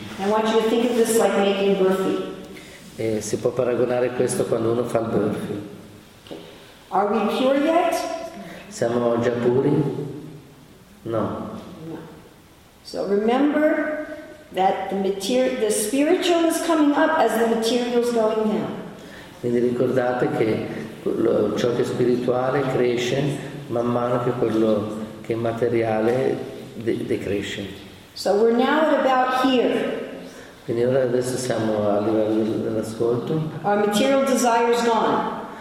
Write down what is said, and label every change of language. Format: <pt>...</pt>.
<en>I want you to think of this like making burfi.</en> <it>Si può paragonare questo quando uno fa il burfi.</it> <en>Are we pure yet?</en> <it>Siamo già puri? No.</it> <en>So remember that the spiritual is coming up as the material is going down.</en> <it>Quindi ricordate che ciò che è spirituale cresce man mano che quello che è materiale decresce.</it> <en>So we're now at about here.</en> <it>Quindi ora adesso siamo a livello dell'ascolto.</it> <en>Our material desire is gone.</en>